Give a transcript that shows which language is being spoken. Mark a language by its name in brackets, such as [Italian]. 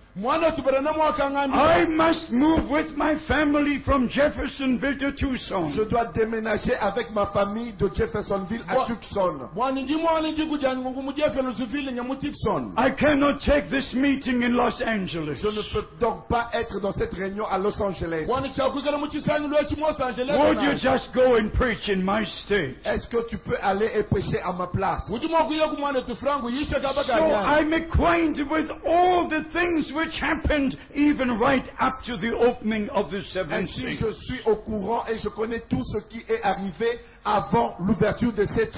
[English] I must move with my family from Jeffersonville to Tucson. [French] Je dois déménager avec ma famille de Jeffersonville à Tucson. [English] I cannot take this meeting in Los Angeles. [French] Je ne peux donc pas être dans cette réunion à Los Angeles. [English] Would you just go and preach in my state? [French] Est-ce que tu peux aller et prêcher à ma place? [English] So I'm acquainted with all the things which happened even right up to the opening of the seventh seal. [French] Je suis au courant et je connais tout ce qui est arrivé avant l'ouverture de sept